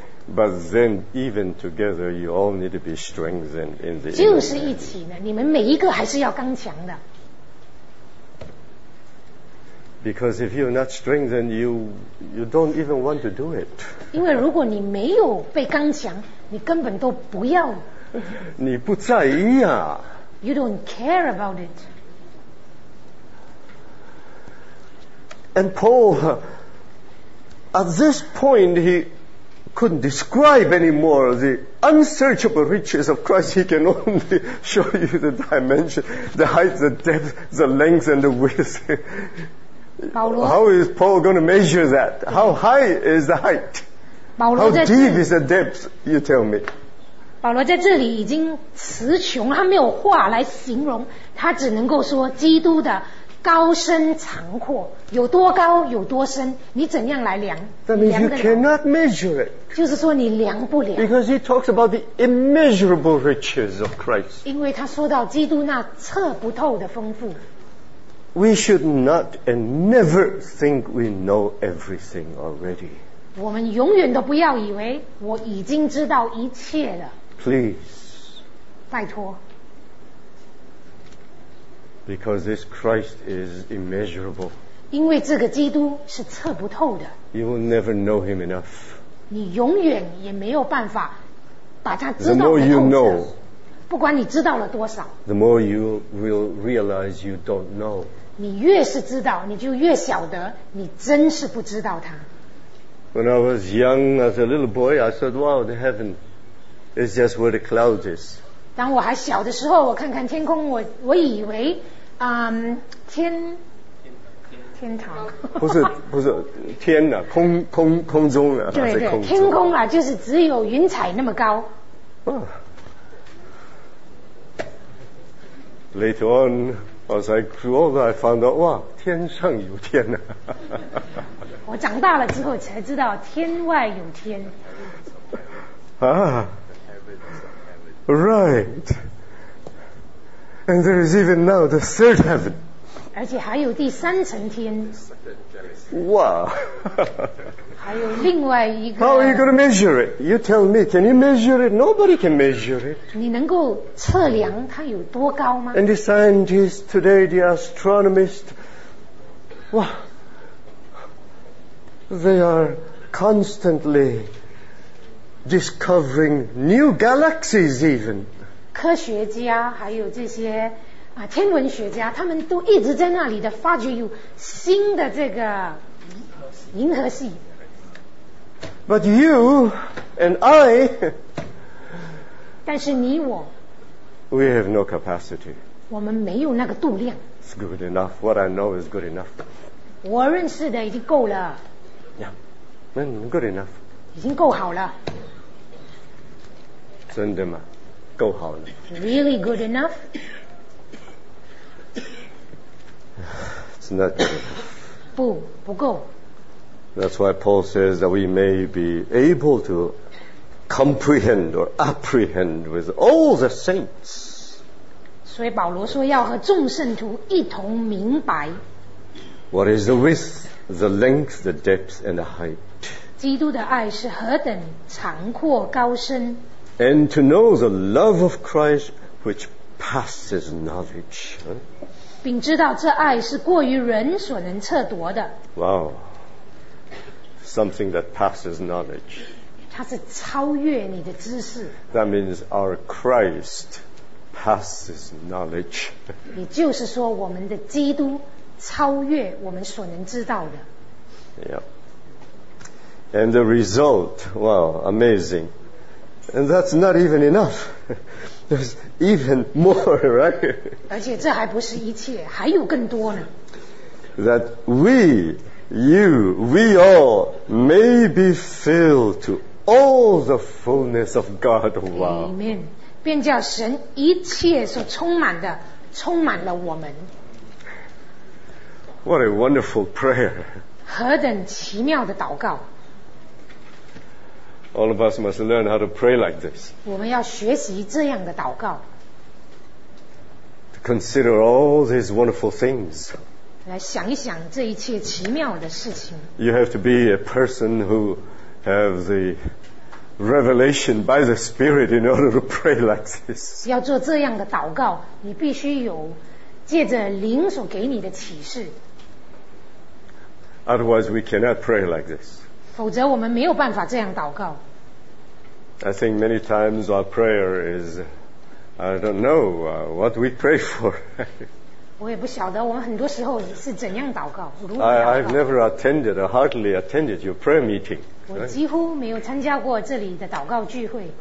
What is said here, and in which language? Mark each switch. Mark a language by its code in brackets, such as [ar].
[en] But then, even together, you all need to be strengthened in the. [zh] 就是一起呢，你们每一个还是要刚强的。 [en] Because if you're not strengthened, you don't even want to do it. [zh] 因为如果你没有被刚强，你根本都不要。你不在意啊。 [en] You don't care about it. And Paul, at this point, he couldn't describe anymore the unsearchable riches of Christ. He can only show you the dimension, the height, the depth, the length, and the width. How is Paul going to measure that? How high is the height? How deep is the depth? You tell me. [zh] 保罗在这里已经词穷，他没有话来形容，他只能够说基督的高深长阔，有多高有多深，你怎样来量？ [en] That means you cannot measure it. [zh] 就是说你量不了。 [en] Because he talks about the immeasurable riches of Christ. [zh] 因为他说到基督那测不透的丰富。 [en] We should not and never think we know everything already. [zh] 我们永远都不要以为我已经知道一切了。 [en] Please. [zh] 拜托。 [en] Because this Christ is immeasurable. [zh] 因为这个基督是测不透的。 [en] You will never know him enough. [zh] 你永远也没有办法把他知道得透的。 [en] The more you know, [zh] 不管你知道了多少。 [en] The more you will realize you don't know. [zh] 你越是知道，你就越晓得，你真是不知道它。 [en] When I was young, as a little boy, I said, "Wow, the heaven is just where the clouds is." [zh] 当我还小的时候，我看看天空，我以为，天堂不是天呐、啊，空中啊，对，天空啊，就是只有云彩那么高。 [en] Later on, as I grew older, I found out, [zh] 哇，天上有天啊。我长大了之后才知道天外有天。 [en] Right. And there is even now the third heaven. [zh] 而且还有第三层天。哇。还有另外一个。 [en] How are you going to measure it? You tell me, can you measure it? Nobody can measure it. [zh] 你能够测量它有多高吗？ [en] And the scientists today, the astronomists, 哇。 They are constantly discovering new galaxies even. [zh] 科学家还有这些啊天文学家，他们都一直在那里的发掘有新的这个银河系。 [en] But you and I, [zh] 但是你我， [en] we have no capacity. [zh] 我们没有那个度量。 [en] It's good enough. What I know is good enough. [zh] 我认识的已经够了。 [en] Yeah, good enough. [zh] 已经够好了。真的吗？够好了。 [en] Really good enough? It's not good enough. [zh] 不，不够。 [en] That's why Paul says that we may be able to comprehend or apprehend with all the saints. [zh] 所以保罗说要和众圣徒一同明白。 [en] What is the width? The length, the depth, and the height. [zh] 基督的爱是何等长阔高深。 [en] And to know the love of Christ which passes knowledge. [zh] 并知道这爱是过于人所能测度的。 [en] Wow. Something that passes knowledge. [zh] 它是超越你的知识。 [en] That means our Christ passes knowledge. [zh] 也就是说我们的基督超越我们所能知道的。 [en] Yeah. And the result, wow, amazing. And that's not even enough. There's even more, right? [zh] 而且这还不是一切，还有更多呢。 [en] That we, you, we all may be filled to all the fullness of God. Wow. Amen. [zh] 便叫神一切所充满的，充满了我们。 [en] What a wonderful prayer. [zh] 何等奇妙的祷告。 [en] All of us must learn how to pray like this. [zh] 我们要学习这样的祷告。 [en] To consider all these wonderful things. [zh] 来想一想这一切奇妙的事情。 [en] You have to be a person who has the revelation by the Spirit in order to pray like this. [zh] 要做这样的祷告，你必须有借着灵所给你的启示。 [en] Otherwise, we cannot pray like this. [zh] 否则我们没有办法这样祷告。 [en] I think many times our prayer is, I don't know what we pray for. [zh] 我也不晓得我们很多时候是怎样祷告。 [en] I've never attended or hardly attended your prayer meeting. [zh] 我几乎没有参加过这里的祷告聚会。